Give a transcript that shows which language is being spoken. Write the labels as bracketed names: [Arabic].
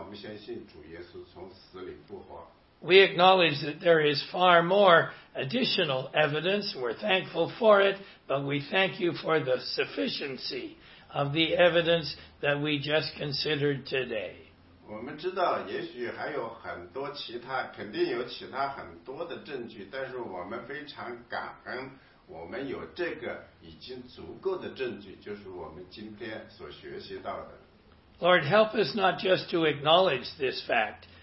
[Chinese] 我们今天就是学习了一些关于历史上的证据和圣经里的证据，我们觉得这样已经足够了，已经完全足够了，建立我们的信心，让我们相信主耶稣从死里复活。 [English] We acknowledge that there is far more additional evidence. We're thankful for it, but we thank you for the sufficiency of the evidence that we just considered today. [Chinese] 我们知道也许还有很多其他，肯定有其他很多的证据，但是我们非常感恩，我们有这个已经足够的证据，就是我们今天所学习到的。 [English] Lord, help us not just to acknowledge this fact.